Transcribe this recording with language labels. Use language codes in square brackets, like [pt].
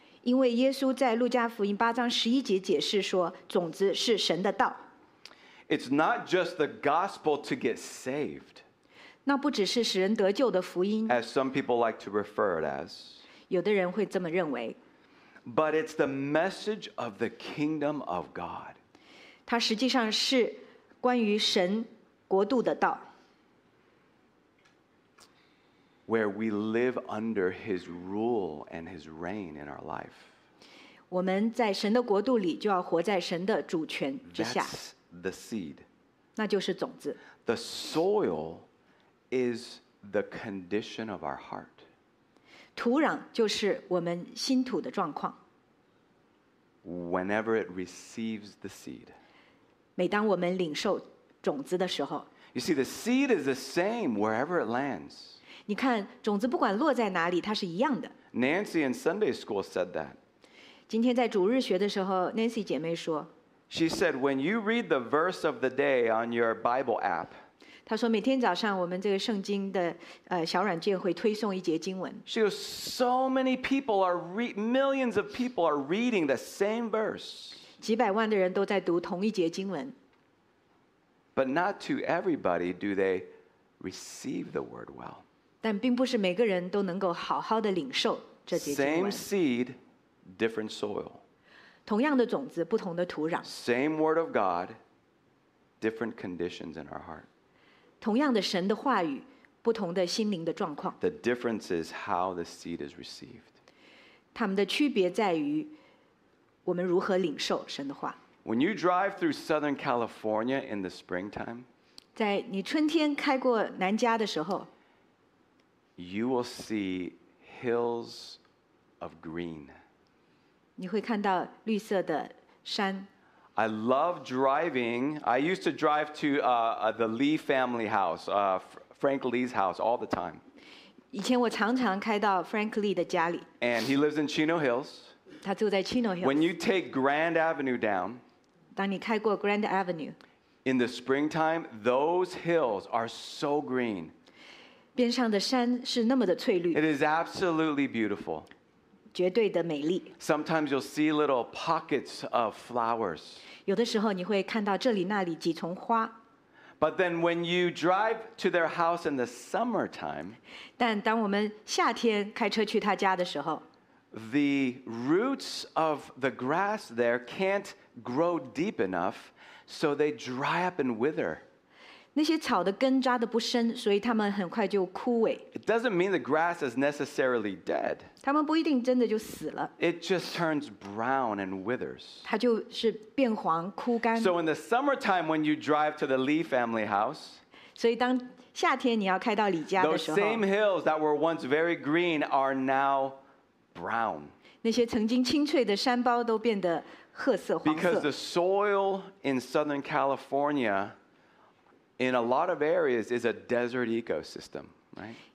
[zh] 因为耶稣在路加福音八章十一节解释说，种子是神的道。 [en] It's not just the gospel to get saved. [zh] 那不只是使人得救的福音。 [en] As some people like to refer it as. [zh] 有的人会这么认为。 [en] But it's the message of the kingdom of God. [zh] 它实际上是关于神国度的道。 [en] Where we live under His rule and His reign in our life. [zh] 我们在神的国度里就要活在神的主权之下。 [en] That's the seed. [zh] 那就是种子。 [en] The soil is the condition of our heart. [zh] 土壤就是我们心土的状况。 [en] Whenever it receives the seed. [zh] 每当我们领受种子的时候。 [en] You see, the seed is the same wherever it lands. [zh] 你看种子不管落在哪里它是一样的。 [en] Nancy in Sunday school said that. [zh] 今天在主日学的时候 ,Nancy 姐妹说。 [en] She said, when you read the verse of the day on your Bible app, [zh] 他说每天早上我们这个圣经的小软件会推送一节经文。 [en] She goes, so many people are millions of people are reading the same verse. [zh] 几百万的人都在读同一节经文。 [en] But not to everybody do they receive the word well. [zh] 但并不是每个人都能够好好的领受这节经文。 [en] Same seed, different soil. [zh] 同样的种子，不同的土壤。 [en] Same word of God, different conditions in our heart. [zh] 同样的神的话语，不同的心灵的状况。 [en] The difference is how the seed is received. [zh] 它们的区别在于我们如何领受神的话。 [en] When you drive through Southern California in the springtime, [zh] 在你春天开过南加的时候， [en] you will see hills of green. [zh] 你会看到绿色的山。 [en] I love driving. I used to drive to the Lee family house, Frank Lee's house, all the time. [zh] 以前我常常开到 Frank Lee 的家里。 [en] And he lives in Chino Hills. [zh] 他住在 Chino Hills. [en] When you take Grand Avenue down, [zh] 当你开过 Grand Avenue, [en] in the springtime, those hills are so green. [zh] 边上的山是那么的翠绿。 [en] It is absolutely beautiful. [zh] 绝对的美丽。 [en] Sometimes you'll see little pockets of flowers. [zh] 有的时候你会看到这里那里几丛花。 [en] But then when you drive to their house in the summertime, [zh] 但当我们夏天开车去他家的时候， [en] the roots of the grass there can't grow deep enough, so they dry up and wither. [zh] 那些草的根扎得不深，所以它们很快就枯萎。 [en] It doesn't mean the grass is necessarily dead. [zh] 它们不一定真的就死了。 [en] It just turns brown and withers. [zh] 它就是变黄枯干。 [en] So in the summertime, when you drive to the Lee family house, [zh] 所以当夏天你要开到李家的时候， [en] those same hills that were once very green are now brown. [zh] 那些曾经青翠的山包都变得褐色黄色。 [en] Because the soil in Southern California. In a lot of areas is a desert ecosystem, right?